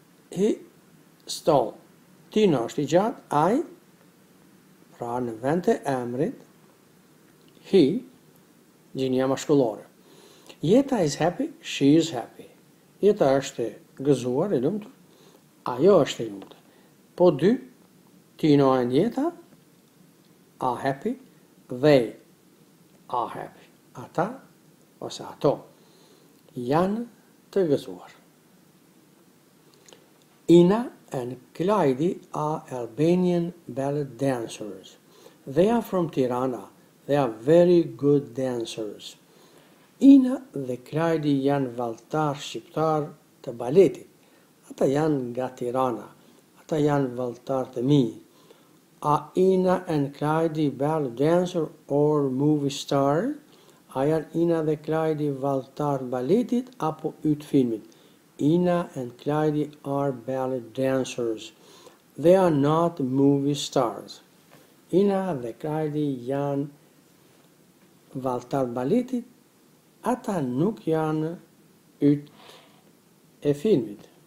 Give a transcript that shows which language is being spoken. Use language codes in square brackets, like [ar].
[en] He is tall. [sq] Tino është I gjatë. Ai, pra në vend të emrit, he, gjinia maskullore. [en] Jeta is happy, she is happy. [sq] Jeta është gëzuar, e lumtur. Ajo është e lumtur. Po dy, [en] Tino and Jeta, are happy, they are happy. [sq] Ata, ose ato, janë të gëzuar. [en] Ina and Klajdi are Albanian ballet dancers. They are from Tirana. They are very good dancers. [sq] Ina dhe Klajdi janë valtar shqiptar të baletit. Ata janë nga Tirana. Ata janë valtar të mi. [en] A Ina and Klajdi ballet dancer or movie star? [sq] A janë Ina dhe Klajdi valtar baletit apo yt filmit? [en] Ina and Klajdi are ballet dancers. They are not movie stars. [sq] Ina dhe Klajdi janë valtar baletit, ata nuk janë yt e filmit.